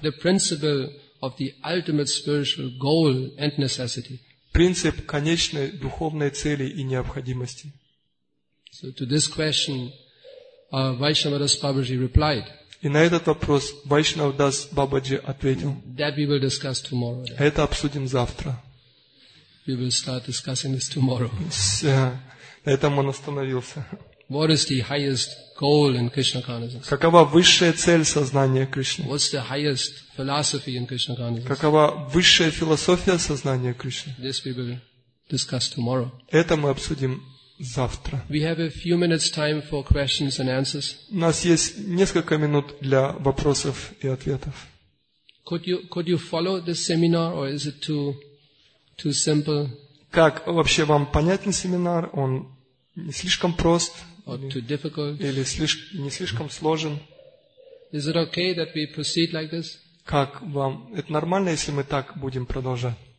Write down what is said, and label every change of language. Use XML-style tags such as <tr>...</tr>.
<en>The principle of the ultimate spiritual goal and necessity.</en> <ru>Принцип конечной духовной цели и необходимости.</ru> <en>So to this question, Vaishnavaras Babaji replied.</en> <ru>И на этот вопрос Vaishnav Das Babaji ответил.</ru> <en>That we will discuss tomorrow.</en> <ru>Это обсудим завтра.</ru> <en>We will start discussing this tomorrow.</en> <ru>На этом он остановился.</ru> <en>What is the highest goal in Krishna consciousness?</en> <ru>Какова высшая цель сознания Кришны?</ru> <en>What's the highest philosophy in Krishna consciousness?</en> <ru>Какова высшая философия сознания Кришны?</ru> <en>This we will discuss tomorrow.</en> <ru>Это мы обсудим завтра.</ru> <en>We have a few minutes time for questions and answers.</en> <ru>У нас есть несколько минут для вопросов и ответов.</ru> <en>Could you follow this seminar, or is it too simple?</en> <ru>Как вообще вам понятен семинар? Он не слишком прост или не слишком сложен?</ru> <en>Is it okay that we proceed like this?</en> <ru>Как вам? Это нормально, если мы так будем продолжать?</ru>